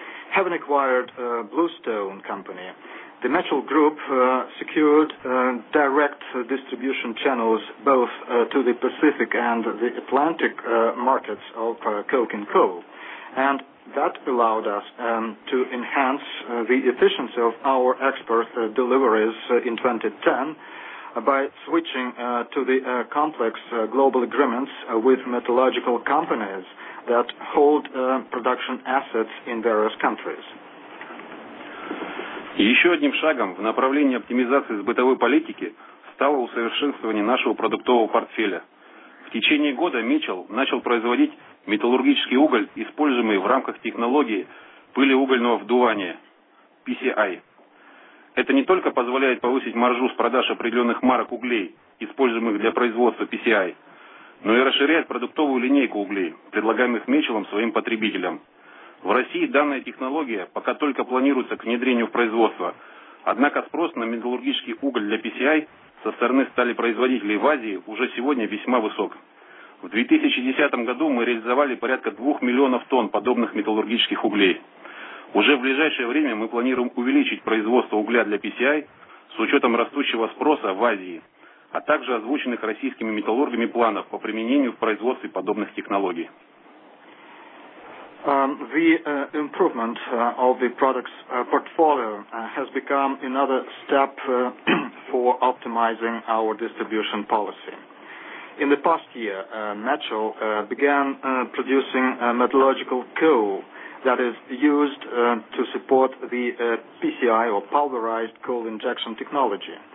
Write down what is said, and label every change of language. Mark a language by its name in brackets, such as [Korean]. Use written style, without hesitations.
[English] Having acquired Bluestone Company, the Mitchell Group secured direct distribution channels both to the Pacific and the Atlantic markets of coke and coal, and that allowed us to enhance the efficiency of our export deliveries in 2010 by switching to the complex global agreements with metallurgical companies that hold production assets in various countries. [Russian] Еще одним шагом в направлении оптимизации сбытовой политики стало усовершенствование нашего продуктового портфеля. В течение года Mitchell начал производить металлургический уголь, используемый в рамках технологии пылеугольного вдувания, PCI. Это не только позволяет повысить маржу с продаж определенных марок углей, используемых для производства PCI, но и расширяет продуктовую линейку углей, предлагаемых Mitchell своим потребителям. В России данная технология пока только планируется к внедрению в производство. Однако спрос на металлургический уголь для PCI со стороны сталепроизводителей в Азии уже сегодня весьма высок. В 2010 году мы реализовали порядка 2 миллионов тонн подобных металлургических углей. Уже в ближайшее время мы планируем увеличить производство угля для PCI с учетом растущего спроса в Азии, а также озвученных российскими металлургами планов по применению в производстве подобных технологий. [English] The improvement of the products portfolio has become another step for optimizing our distribution policy. In the past year, Metchel began producing metallurgical coal that is used to support the PCI, or pulverized coal injection technology.